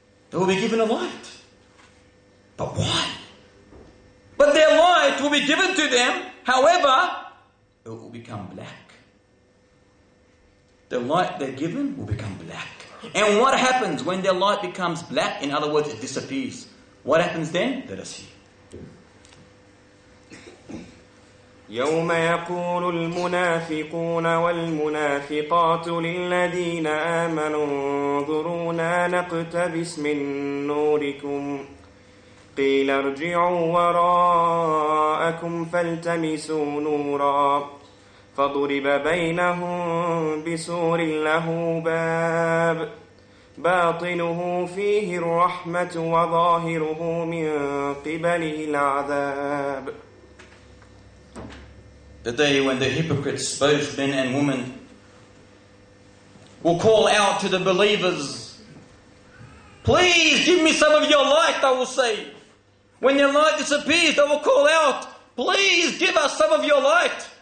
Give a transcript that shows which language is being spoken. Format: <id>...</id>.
<en>They will be given a light. But why? But their light will be given to them. However, it will become black. The light they're given will become black. And what happens when their light becomes black? In other words, it disappears. What happens then? Let us see.</en> <ar>يوم يقول المنافقون والمنافقات للذين آمنوا انظرونا نقتبس من نوركم قيل ارجعوا وراءكم فالتمسوا نورا فضرب بينهم بسور له باب باطنه فيه الرحمة وظاهره من قبله العذاب.</ar> <en>The day when the hypocrites, both men and women, will call out to the believers, please give me some of your light, they will say. When their light disappears, they will call out, please give us some of your light.</en>